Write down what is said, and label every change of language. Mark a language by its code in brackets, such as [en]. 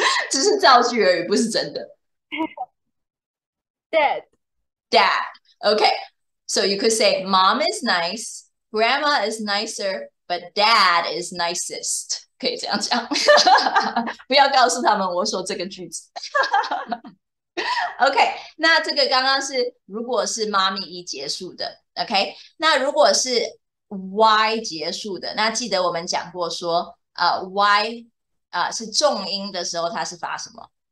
[zh] 只是造句而已，不是真的。对 [en] Dad. Okay, so you could say mom is nice, grandma is nicer, but dad is nicest. [zh] 可以这样讲，不要告诉他们我说这个句子。 OK，那这个刚刚是如果是妈咪一结束的，OK，那如果是 Y 结束的，那记得我们讲过说，Y 是重音的时候，它是发什么